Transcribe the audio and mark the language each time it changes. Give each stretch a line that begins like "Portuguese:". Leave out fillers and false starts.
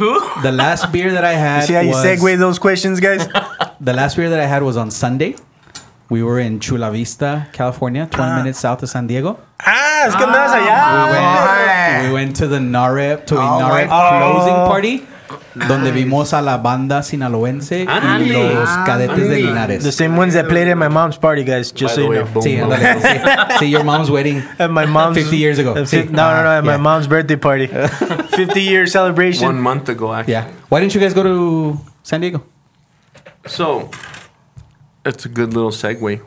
English: With who? The last beer that I had. You see how you segue those questions, guys? The last beer that I had was on Sunday. We were in Chula Vista, California, 20 minutes south of San Diego.
Spanish: Es que andas allá.
English: We went to the Narep, to a Narep closing party.
Spanish: Donde vimos a la banda sinaloense y los cadetes de Linares.
English: The same ones that played at my mom's party, guys. Just by so you way, know. Boom, see, your mom's wedding at my mom's 50 years ago. No, at my mom's birthday party. 50-year celebration. 1 month ago, actually. Yeah. Why didn't you guys go to San Diego? So, it's a good little segue.